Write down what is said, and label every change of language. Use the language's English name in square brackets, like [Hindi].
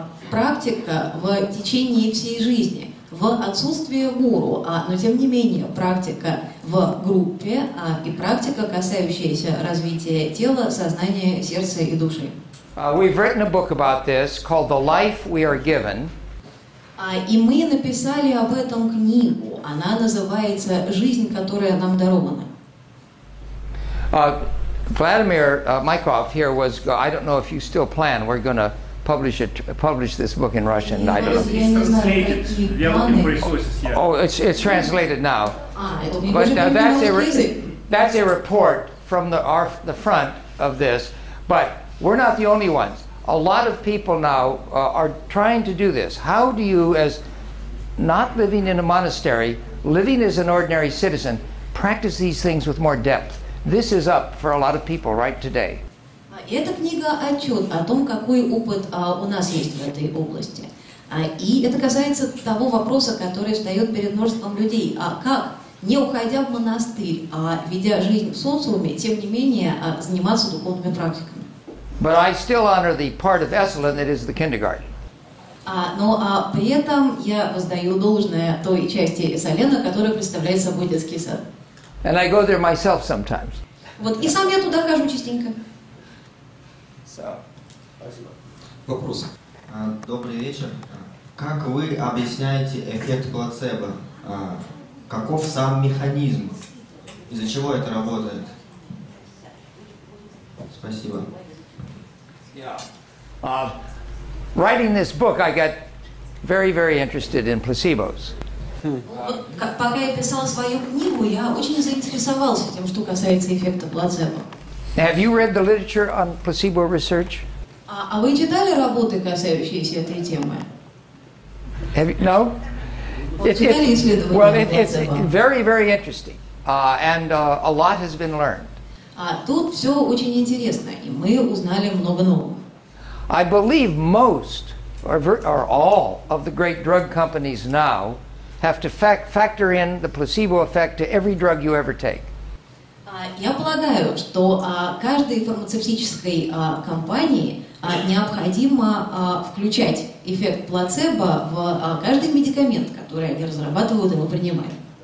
[Russian] Практика в течение всей жизни в отсутствие гуру, но тем не менее практика в группе и практика, касающаяся развития тела, сознания, сердца и души. [English] We've written a book about this called "The Life We Are Given". [Russian] И мы написали об этом книгу. Она называется "Жизнь, которая нам дарована". [English] Vladimir Mykov here was. I don't know if you still plan. We're going to publish this book in Russian. Yes, I don't know. It's translated. We are looking for resources. Oh, it's translated now. But that's a report from the front of this. But we're not the only ones. A lot of people now are trying to do this. How do you, as not living in a monastery, living as an ordinary citizen, practice these things with more depth? This is up for a lot of people right today. [Russian] Эта книга – отчет о том, какой опыт у нас есть в этой области. И это касается того вопроса, который встает перед множеством людей. Как, не уходя в монастырь, а ведя жизнь в социуме, тем не менее заниматься духовными практиками? [English] But I still honor the part of Esalen that is the kindergarten. [Russian] При этом я воздаю должное той части Эссалена, которая представляет собой детский сад. [English] And I go there myself sometimes. [Russian] Вот и сам я туда хожу частенько. Спасибо. Вопрос. Добрый вечер. Как вы объясняете эффект плацебо? Каков сам механизм? Из-за чего это работает? Спасибо. [English] Yeah. Writing this book, I got very, very interested in placebos. [Russian] Пока я писал свою книгу, я очень заинтересовался тем, что касается эффекта плацебо. [English] Have you read the literature on placebo research? [Russian] А вы читали работы, касающиеся этой темы? [English] No. It's very, very interesting, and a lot has been learned. [Russian] Тут все очень интересно, и мы узнали много нового. [English] I believe most or all of the great drug companies now have to factor in the placebo effect to every drug you ever take. [Russian] Я полагаю, что каждой фармацевтической компании необходимо включать эффект плацебо в каждый медикамент, который они разрабатывают и мы принимаем.